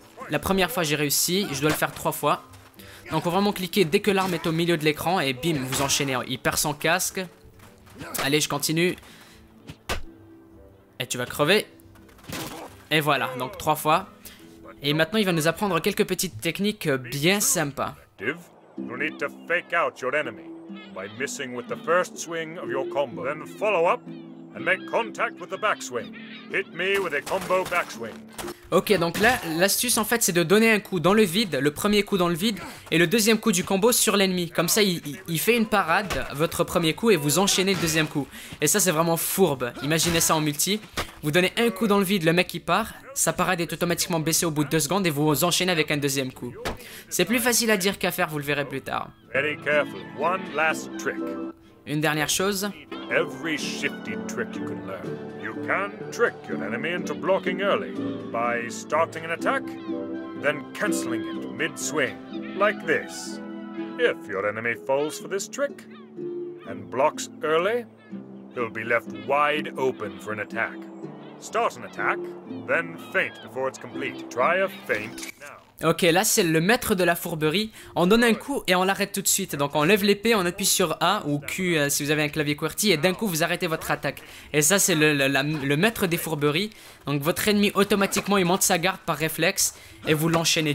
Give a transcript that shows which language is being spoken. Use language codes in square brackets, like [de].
[fr] La première fois j'ai réussi, je dois le faire trois fois. Donc faut vraiment cliquer dès que l'arme est au milieu de l'écran et bim, vous enchaînez. Il perd son casque. Allez, je continue. Et tu vas crever. Et voilà, donc trois fois. Et maintenant il va nous apprendre quelques petites techniques bien sympas. [en] Div, you need to fake out your enemy by missing with the first swing of your combo. Then follow up and make contact with the backswing. Hit me with a combo backswing. [fr] Ok, donc là, l'astuce en fait, c'est de donner un coup dans le vide, le premier coup dans le vide, et le deuxième coup du combo sur l'ennemi. Comme ça, il fait une parade, votre premier coup, et vous enchaînez le deuxième coup. Et ça, c'est vraiment fourbe. Imaginez ça en multi. Vous donnez un coup dans le vide, le mec il part, sa parade est automatiquement baissée au bout de 2 secondes, et vous enchaînez avec un deuxième coup. C'est plus facile à dire qu'à faire, vous le verrez plus tard. [en] Very careful. One last trick. [fr] Une dernière chose. [en] Every shifty trick you can learn. You can trick your enemy into blocking early by starting an attack, then canceling it mid-swing, like this. If your enemy falls for this trick and blocks early, he'll be left wide open for an attack. Start an attack, then feint before it's complete. Try a feint now. [fr] Ok, là c'est le maître de la fourberie, on donne un coup et on l'arrête tout de suite. Donc on lève l'épée, on appuie sur A ou Q si vous avez un clavier QWERTY et d'un coup vous arrêtez votre attaque. Et ça c'est le maître des fourberies, donc votre ennemi automatiquement il monte sa garde par réflexe et vous l'enchaînez.